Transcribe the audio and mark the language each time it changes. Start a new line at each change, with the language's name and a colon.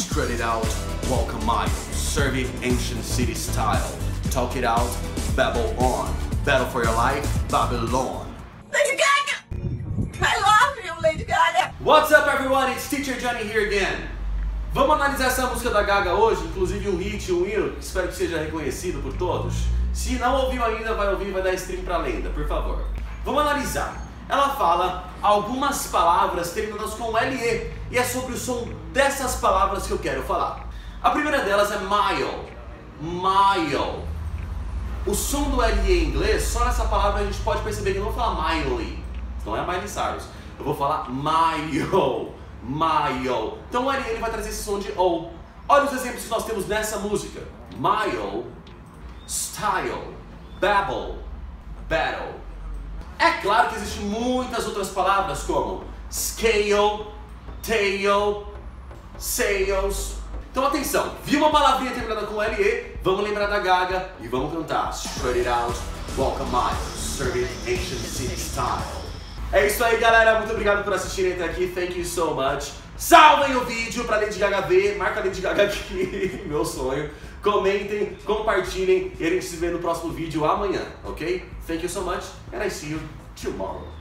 English: spread it out, walk a mile, serve it ancient city style, talk it out, babble on, battle for your life, Babylon. Lady Gaga! I love you, Lady Gaga! What's up, everyone? It's Teacher Johnny here again.
Portuguese: Vamos analisar essa música da Gaga hoje, inclusive um hit, um hino, espero que seja reconhecido por todos. Se não ouviu ainda, vai ouvir, vai dar stream pra lenda, por favor. Vamos analisar. Ela fala algumas palavras terminadas com LE, e é sobre o som dessas palavras que eu quero falar. A primeira delas é mile. Mile. O som do LE em inglês, só nessa palavra a gente pode perceber que eu não vou falar Miley, não é a Miley Cyrus. Eu vou falar mile. Mile. Então o LE ele vai trazer esse som de O. Olha os exemplos que nós temos nessa música: mile, style, babble, battle. É claro que existem muitas outras palavras como scale, tail, sales. Então atenção, vi uma palavrinha terminada com LE, vamos lembrar da Gaga e vamos cantar.
English: Spread it out, walk a mile, serve it ancient city style.
Portuguese: É isso aí, galera, muito obrigado por assistirem até aqui,
English: thank you so much.
Portuguese: Salvem o vídeo pra Lady Gaga ver, marca a Lady Gaga aqui, meu sonho. Comentem, compartilhem e a gente se vê no próximo vídeo amanhã, ok?
English: Thank you so much and I see you tomorrow.